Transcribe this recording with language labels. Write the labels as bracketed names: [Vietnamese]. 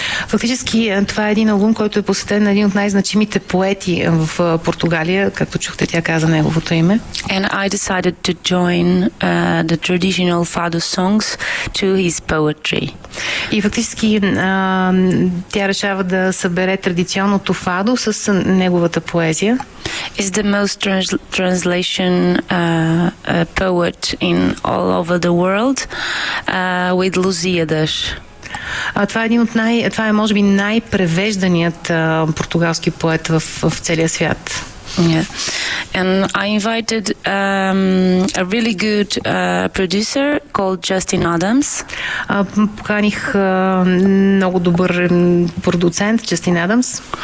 [Bulgarian] Фактически това е един албум, който е посветен на един от най-значимите поети в Португалия, както чухте, тя каза неговото име. [English] And I decided to join the traditional fado songs to his poetry. [Bulgarian] И фактически тя решава да събере традиционното фадо с неговата поезия. [English] is the most translation poet in all over the world with Lusíadas. [Bulgarian] Това е един от най, това е може би най-превежданият португалски поет в, в целия свят. Yeah. [English] And I invited a really good producer called Justin Adams. [Bulgarian] Поканих много добър продуцент Justin Adams.